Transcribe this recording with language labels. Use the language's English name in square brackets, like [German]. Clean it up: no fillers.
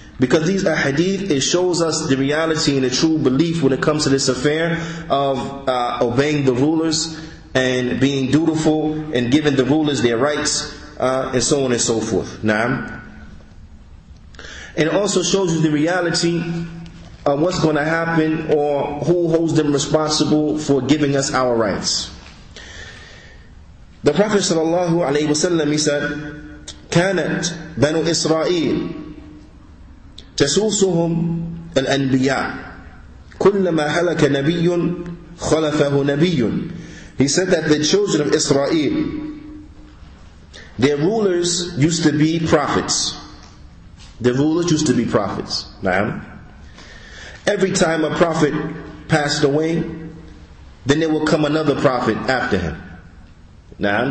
[English] Because these ahadith, it shows us the reality and the true belief when it comes to this affair of obeying the rulers and being dutiful and giving the rulers their rights, and so on and so forth. Naam. And it also shows you the reality of what's going to happen or who holds them responsible for giving us our rights. The Prophet sallallahu alayhi wa sallam, he said, [Arabic] كانت بنو إسرائيل تسوسهم الأنبياء كلما هلك نبي خلفه نبي. [English] He said that the children of Israel, their rulers used to be prophets. Their rulers used to be prophets. Naam. Every time a prophet passed away, then there will come another prophet after him. Naam.